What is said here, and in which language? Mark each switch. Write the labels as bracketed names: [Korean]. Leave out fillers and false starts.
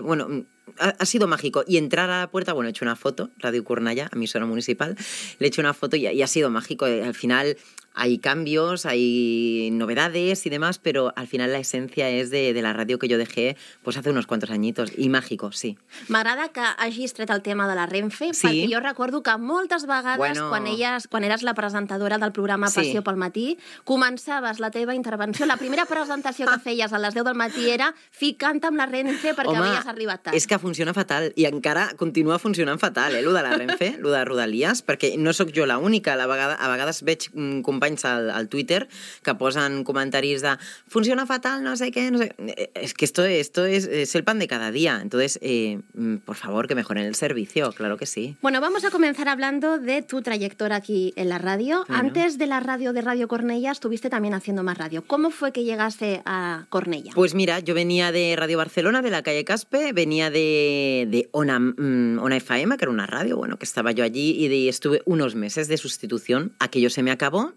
[Spanish] Bueno, ha sido mágico. Y entrar a la puerta, bueno, he hecho una foto, Radio Cornellà, emisora municipal, le he hecho una foto y ha sido mágico. Al final hay cambios, hay novedades y demás, pero al final la esencia es de la radio que yo dejé pues hace unos cuantos añitos. Y mágico, sí. [Catalan] M'agrada que hagis tret el tema de la Renfe, sí. Perquè jo recordo que moltes vegades, bueno, quan eres la presentadora del programa Passió, sí, pel matí, començaves la teva intervenció, la primera presentació que feies a les 10 del matí era ficant amb la Renfe perquè home, havies arribat tard. És que funciona fatal i encara continua funcionant fatal, lo de la Renfe, lo de Rodalies, perquè no sóc jo l'única. A vegades veig companys al Twitter que posen comentaris de funciona fatal, no sé què, no sé... És que [Spanish] esto es el pan de cada dia. Entonces, por favor, que mejoren el servicio, claro que sí. Bueno, vamos a comenzar hablando de tu trayectoria aquí en la radio. Bueno. Antes de la radio de Radio Cornellà, estuviste también haciendo más radio. ¿Cómo fue que llegaste a Cornellà? Pues mira, yo venía de Radio Barcelona, de la calle Caspe, venía de Ona FM, que era una radio, bueno, que estaba yo allí, y estuve unos meses de sustitución. Aquello se me acabó.